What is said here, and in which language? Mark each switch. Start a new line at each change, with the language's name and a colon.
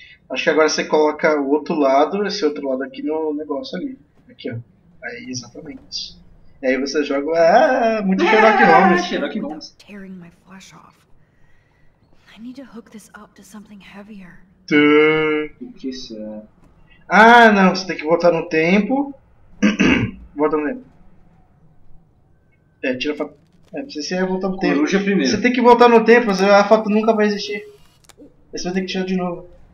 Portuguese: Acho que agora você coloca o outro lado, esse outro lado aqui no negócio ali. Aqui, ó. Aí, exatamente. E aí você joga. Ah, muito Sherlock Holmes.
English: Sherlock Holmes. Tearing my flesh off. I need to hook this up to something heavier.
Portuguese: O que isso é? Ah, não. Você tem que voltar no tempo. Volta no tempo. É, tira a foto. É, você ia voltar no tempo. Coruja primeiro. Você tem que voltar no tempo, a foto nunca vai existir. Aí você vai ter que tirar de novo.